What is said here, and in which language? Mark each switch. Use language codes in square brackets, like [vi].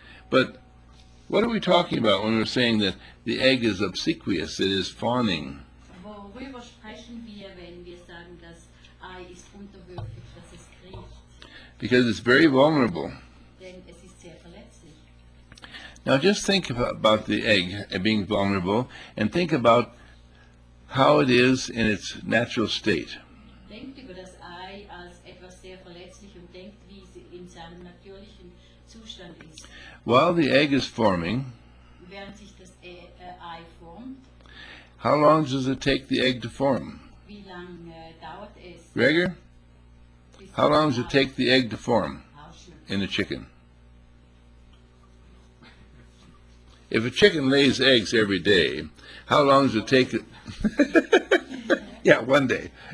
[en] But what are we talking about when we're saying that the egg is obsequious, it is fawning? [de] Worüber sprechen wir, wenn wir sagen, das Ei ist unterwürfig, dass es kriecht? [en] Because it's very vulnerable. [de] Denn es ist sehr verletzlich. [en] Now just think about the egg being vulnerable and think about how it is in its natural state. [de] Denkt über das Ei als etwas sehr verletzlich und denkt, wie es in seinem natürlichen Zustand ist. [en] While the egg is forming, [de] während sich das Ei formt, [en] how long does it take the egg to form? [de] Wie lang, dauert es? [en] Gregor? How long does it take the egg to form in a chicken? If a chicken lays eggs every day, how long does it take it? Yeah, one day.